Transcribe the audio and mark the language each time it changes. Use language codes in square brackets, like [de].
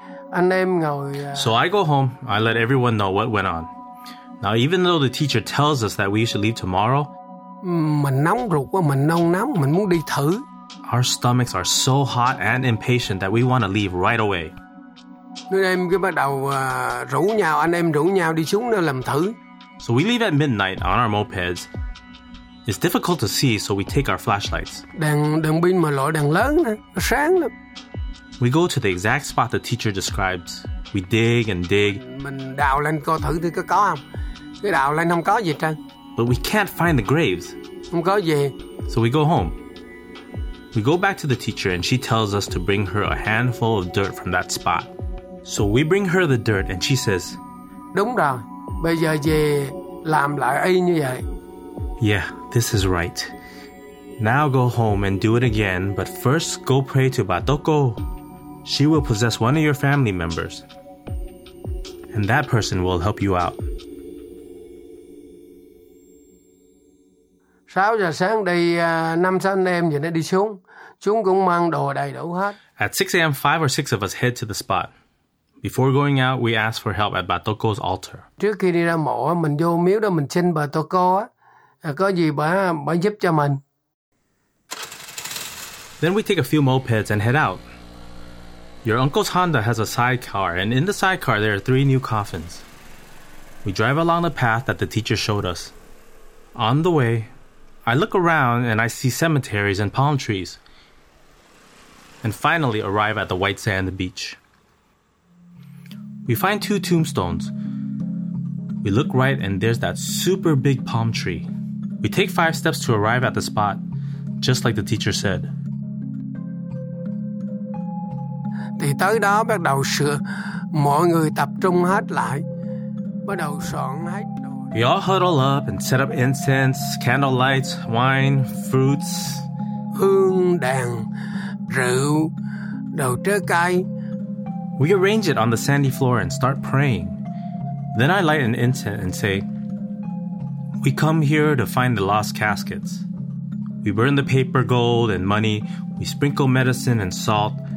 [en] So I go home. I let everyone know what went on. Now, even though the teacher tells us that we should leave tomorrow, our stomachs are so hot and impatient that we want to leave right away. [vi] Anh em rủ nhau đi xuống làm thử. [en] So we leave at midnight on our mopeds. It's difficult to see, so we take our flashlights. [vi] Đèn pin mà loại đèn lớn nè, nó sáng lắm. [en] We go to the exact spot the teacher describes. We dig and dig. [vi] Mình đào lên coi thử thì có không? Cái đào lên không có gì trơn. [en] But we can't find the graves. [vi] Không có gì. [en] So we go home. We go back to the teacher and she tells us to bring her a handful of dirt from that spot. So we bring her the dirt and she says, [vi] đúng rồi, bây giờ về làm lại y như vậy. [en] Yeah, this is right. Now go home and do it again, but first go pray to Batoko. She will possess one of your family members. And that person will help you out. [vi] 6 giờ sáng đi, 5-6 anh em giờ nó đi xuống. Chúng cũng mang đồ đầy đủ hết. [en] At 6 a.m., 5 or 6 of us head to the spot. Before going out, we ask for help at Batoko's altar. [vi] Trước khi đi ra mộ, mình vô miếu đó, mình xin Batoko á. Có gì bà giúp cho mình. [en] Then we take a few mopeds and head out. Your uncle's Honda has a sidecar, and in the sidecar there are 3 new coffins. We drive along the path that the teacher showed us. On the way, I look around and I see cemeteries and palm trees. And finally arrive at the white sand beach. We find 2 tombstones. We look right and there's that super big palm tree. We take 5 steps to arrive at the spot, just like the teacher said. [vi] Thì tới đó bắt đầu sửa, mọi người tập trung hết lại, bắt đầu soạn hết. [en] We all huddle up and set up incense, candle lights, wine, fruits. [vi] Hương đèn, rượu, đồ trái cây. [en] We arrange it on the sandy floor and start praying. Then I light an incense and say, we come here to find the lost caskets. We burn the paper gold and money. We sprinkle medicine and salt.